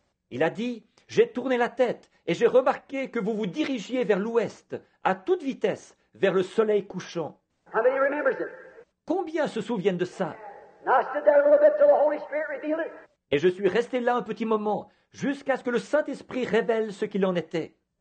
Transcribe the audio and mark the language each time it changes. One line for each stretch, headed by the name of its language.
French: Il a dit, j'ai tourné la tête et j'ai remarqué que vous vous dirigiez vers l'ouest, à toute vitesse, vers le soleil couchant.
English: How many remembers it?
French: Combien se souviennent de ça?
English: And I stood there a little bit till the Holy Spirit revealed it.
French: Et je suis resté là un petit moment, jusqu'à ce que le Saint-Esprit révèle ce qu'il en était.